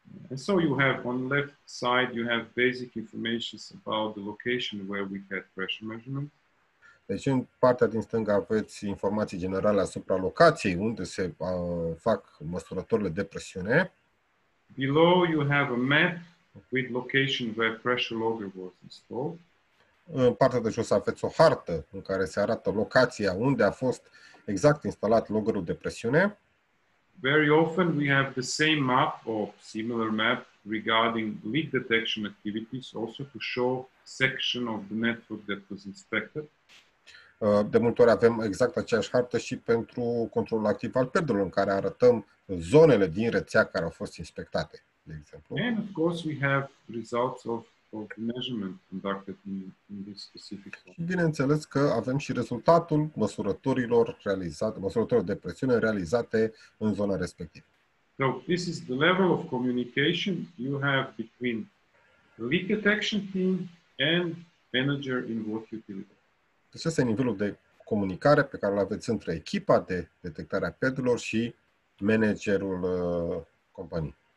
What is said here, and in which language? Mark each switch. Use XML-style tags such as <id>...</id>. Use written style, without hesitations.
<en>And so you have on left side you have basic information about the location where we had pressure measurement.</en> <ro>Deci în partea din stânga aveți informații generale asupra locației unde se fac măsurătorile de presiune.</ro> <en>Below you have a map with location where pressure logger was installed.</en> <ro>În partea de jos aveți o hartă în care se arată locația unde a fost exact instalat loggerul de presiune.</ro> <en>Very often we have the same map or similar map regarding leak detection activities also to show section of the network that was inspected.</en> <ro>De multe ori avem exact aceeași hartă și pentru controlul activ al pierderilor în care arătăm zonele din rețea care au fost inspectate, de exemplu.</ro> <en>And of course we have results of measurement conducted in this specific one.</en> <ro>Și bineînțeles că avem și rezultatul măsurătorilor de presiune realizate în zona respectivă.</ro> <en>So, this is the level of communication you have between leak detection team and manager in water utility.</en> <ro>Deci este nivelul de comunicare pe care îl aveți între echipa de detectare a pierderilor și managerul companiei.</ro>